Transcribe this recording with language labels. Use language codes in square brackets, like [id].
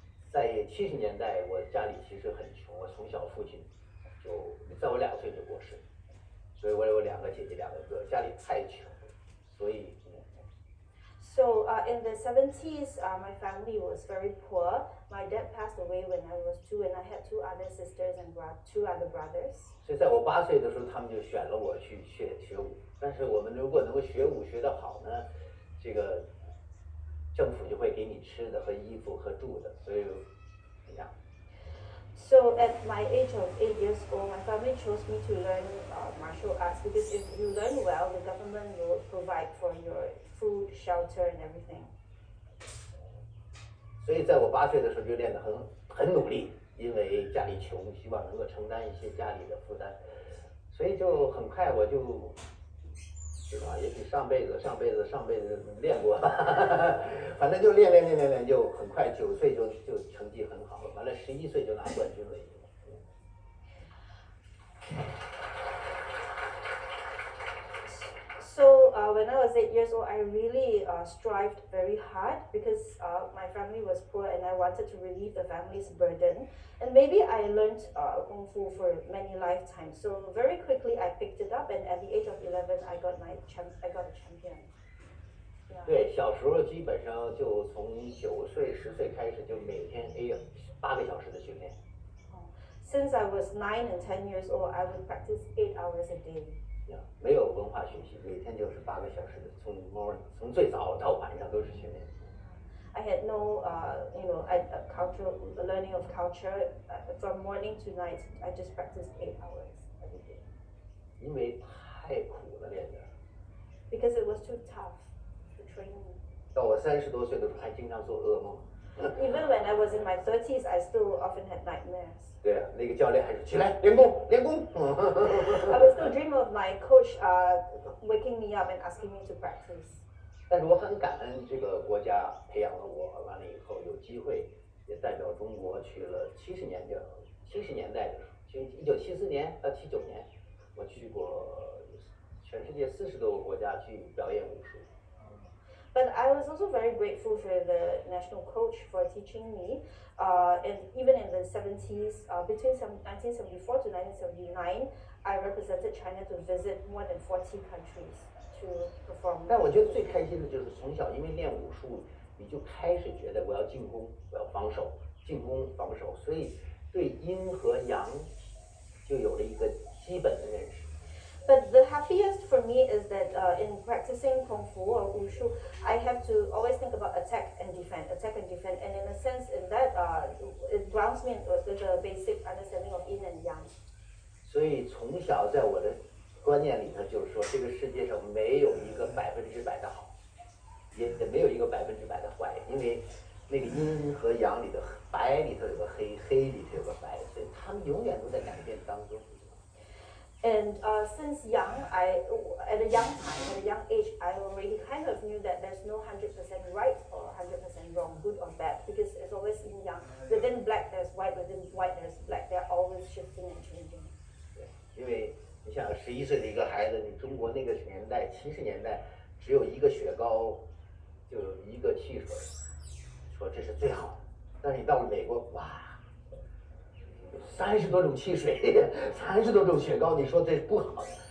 [zh] 在七十年代，我家里其实很穷，我从小父亲就在我两岁就过世，所以我有两个姐姐两个哥，家里太穷，所以。 [en] So in the 70s, my family was very poor. My dad passed away when I was two, and I had two other sisters and two other brothers. [zh] 所以在我八岁的时候，他们就选了我去学武。但是我们如果能够学武学得好呢，这个。政府就会给你吃的和衣服和住的，所以怎样 [en] ？So at my age of 8 years old, my family chose me to learn martial arts because if you learn well, the government will provide for your food, shelter, and everything. [zh] 所以在我八岁的时候就练得很努力，因为家里穷，希望能够承担一些家里的负担，所以就很快我就。也许上辈子练过，反正就练，就很快九岁就成绩很好了，完了11岁就拿冠军了。 [en] So when I was 8 years old, I really strived very hard because my family was poor and I wanted to relieve the family's burden. And maybe I learned Kung Fu for many lifetimes. So very quickly, I picked it up and at the age of 11, I got a champion. Yeah. [zh] 对，小时候基本上就从9岁、10岁开始就每天8个小时的训练。 [en] Since I was 9 and 10 years old, I would practice 8 hours a day. [zh] Yeah, 没有文化学习，每天就是8个小时的，从 morning 从最早到晚上都是训练。 [en] I had no, cultural learning of culture from morning to night. I just practiced 8 hours every day. [zh] 因为太苦了，练的。 [en] Because it was too tough to train. [zh] 到我30多岁的时候，还经常做噩梦。 [en] Even when I was in my 30s, I still often had nightmares. [zh] 对啊，那个教练还是起来练功，练功。 [en] I would still dream of my coach, waking me up and asking me to practice. [zh] 但是我很感恩这个国家培养了我，完了以后有机会也代表中国去了70年代的时候，就1974年到79年，我去过全世界40多个国家去表演武术。 [en] But I was also very grateful for the national coach for teaching me. And even in the 70s, between 1974 to 1979, I represented China to visit more than 40 countries to perform. [zh] 但我觉得最开心的就是从小因为练武术，你就开始觉得我要进攻，我要防守，进攻防守，所以对阴和阳就有了一个基本的认识。 [en] But the happiest for me is that in practicing Kung Fu or Wushu, I have to always think about attack and defend, attack and defend. And in a sense, in that, it grounds me with the basic understanding of yin and yang. [zh] 所以从小在我的观念里头就是说，这个世界上没有一个100%的好，也没有一个100%的坏，因为那个阴和阳里的白里头有个黑，黑里头有个白，所以他们永远都在改变当中。 [en] And since young, at a young age, I already kind of knew that there's no 100% right or 100% wrong, good or bad, because it's always yin yang. Within black, there's white. Within white, there's black. They're always shifting and changing. [zh] 对，因为你像11岁的一个孩子，你中国那个年代，70年代，只有一个雪糕，就一个汽水，说这是最好的。但是你到了美国，哇！30多种汽水，30多种雪糕，你说这不好？